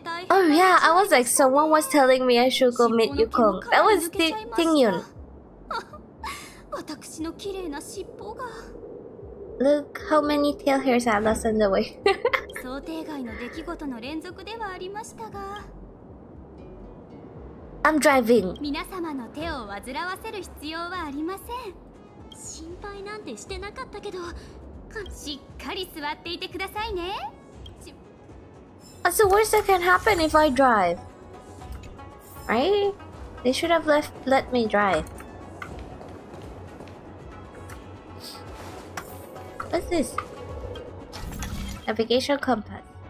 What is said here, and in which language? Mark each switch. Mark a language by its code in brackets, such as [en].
[en] Oh yeah, I was like, someone was telling me I should go meet Yukong. That was Tingyun. [ja] 私の綺麗な尻尾が。 [en] Look how many tail hairs I lost on the way. [ja] 想定外の出来事の連続ではありましたが。 [en] I'm driving. [ja] 皆様の手を煩わせる必要はありません。心配なんてしてなかったけど、しっかり座っていてくださいね。 [en] What's the worst that can happen if I drive? Right? They should have let me drive. What's this? Navigation compass.